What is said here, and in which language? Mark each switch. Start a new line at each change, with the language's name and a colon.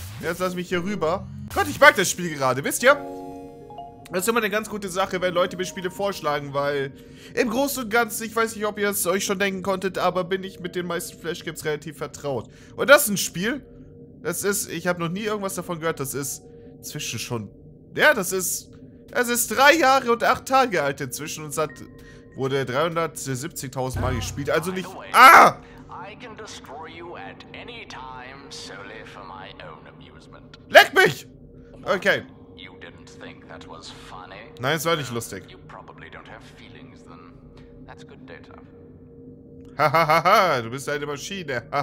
German: Jetzt lass mich hier rüber. Gott, ich mag das Spiel gerade, wisst ihr? Das ist immer eine ganz gute Sache, wenn Leute mir Spiele vorschlagen, weil im Großen und Ganzen, ich weiß nicht, ob ihr es euch schon denken konntet, aber bin ich mit den meisten Flashgames relativ vertraut. Und das ist ein Spiel. Das ist, ich habe noch nie irgendwas davon gehört, das ist inzwischen schon, ja, das ist 3 Jahre und 8 Tage alt inzwischen und hat wurde 370.000 Mal gespielt, also nicht, ah!
English: I can destroy you at any time, solely for my own amusement.
German: Leck mich! Okay.
English: You didn't think that was funny?
German: Nein, es war nicht lustig.
English: You probably don't have feelings, then. That's good data.
German: Hahaha, du bist eine Maschine.